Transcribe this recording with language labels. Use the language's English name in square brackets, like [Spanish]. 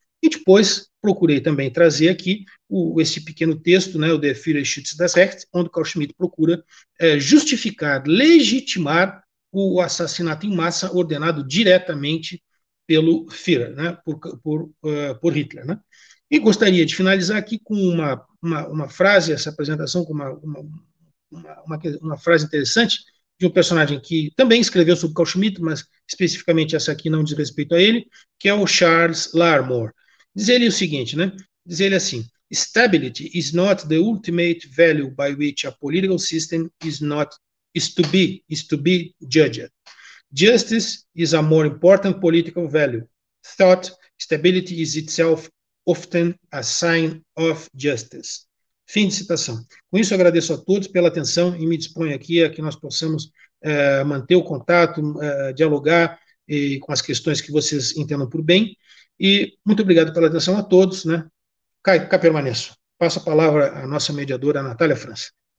[Portuguese] E depois procurei também trazer aqui esse pequeno texto, né, o Der Führer schützt das Recht, onde Carl Schmitt procura justificar, legitimar o assassinato em massa ordenado diretamente pelo Führer, né, por Hitler, né. E gostaria de finalizar aqui com uma frase, essa apresentação, com uma frase interessante de um personagem que também escreveu sobre Carl Schmitt, mas especificamente essa aqui não diz respeito a ele, que é o Charles Larmor. Diz ele o seguinte, né? Diz ele assim: [English] "Stability is not the ultimate value by which a political system is to be judged. Justice is a more important political value. Thought, stability is itself often a sign of justice." [Portuguese] Fim de citação. Com isso, agradeço a todos pela atenção e me disponho aqui a que nós possamos manter o contato, dialogar com as questões que vocês entendam por bem. E muito obrigado pela atenção a todos, né? Cá permaneço. Passo a palavra à nossa mediadora, Natália França.